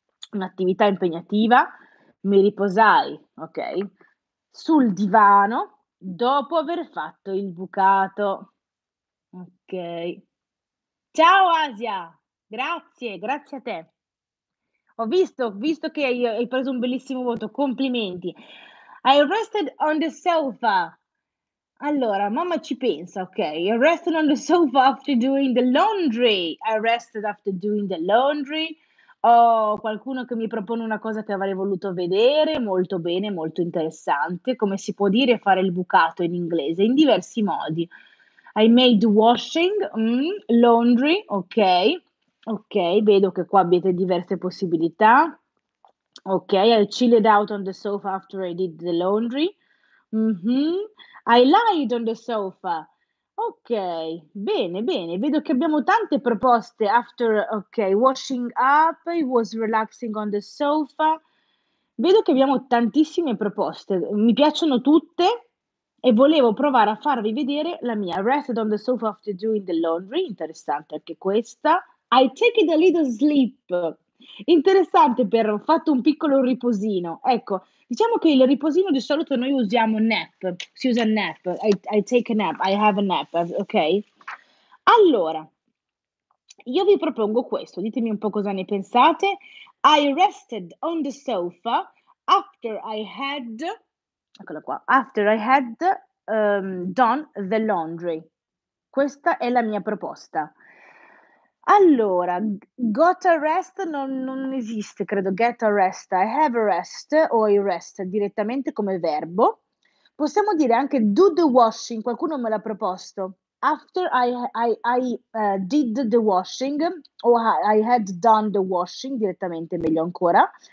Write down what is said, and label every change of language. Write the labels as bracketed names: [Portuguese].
[Italian] Un'attività impegnativa. Mi riposai, ok, sul divano dopo aver fatto il bucato. Ok. Ciao Asia, grazie, grazie a te. Ho visto che hai preso un bellissimo voto, complimenti. [English] I rested on the sofa. Allora, mamma ci pensa, ok. I rested on the sofa after doing the laundry. I rested after doing the laundry. [Italian] Ho qualcuno che mi propone una cosa che avrei voluto vedere, molto bene, molto interessante. Come si può dire fare il bucato in inglese? In diversi modi. I made washing, laundry, ok, vedo che qua avete diverse possibilità. [English] Ok, I chilled out on the sofa after I did the laundry. I lied on the sofa. [Italian] Ok, bene, bene, vedo che abbiamo tante proposte. [English] After, ok, washing up, I was relaxing on the sofa. [Italian] Vedo che abbiamo tantissime proposte, mi piacciono tutte e volevo provare a farvi vedere la mia. [English] Rested on the sofa after doing the laundry, interessante anche questa. [Italian] I took a little sleep, interessante però, ho fatto un piccolo riposino. Ecco. Diciamo che il riposino di solito noi usiamo nap, si usa nap, I take a nap, I have a nap, ok? Allora, io vi propongo questo, ditemi un po' cosa ne pensate. [English] I rested on the sofa after I had, eccola qua, after I had done the laundry. [Italian] Questa è la mia proposta. Allora, got a rest non esiste, credo. [English] Get a rest, I have a rest o I rest direttamente come verbo. [Italian] Possiamo dire anche do the washing, qualcuno me l'ha proposto. [English] After I did the washing o I had done the washing direttamente, meglio ancora.